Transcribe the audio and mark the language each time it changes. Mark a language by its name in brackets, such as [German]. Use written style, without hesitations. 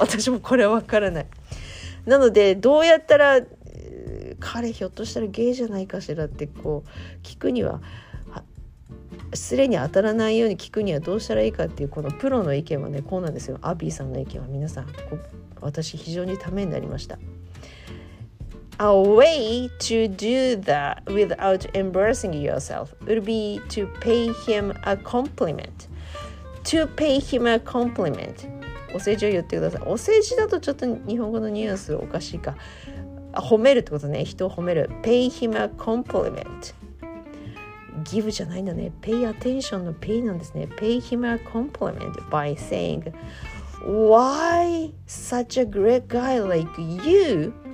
[Japanese] 私もこれは分からない。なのでどうやったら彼ひょっとしたらゲイじゃないかしらってこう聞くには、失礼に当たらないように聞くにはどうしたらいいかっていう、このプロの意見はね、こうなんですよ。アビーさんの意見は、皆さん、私非常にためになりました。 [English] A way to do that without embarrassing yourself would be to pay him a compliment. To pay him a compliment. [Japanese] お世辞を言ってください。お世辞だとちょっと日本語のニュアンスおかしいか。褒めるってことね。人を褒める。 [English] Pay him a compliment. [Japanese] Give じゃないんだね。 [English] Pay attention の pay [Japanese] なんですね。 [English] Pay him a compliment by saying, Why such a great guy like you?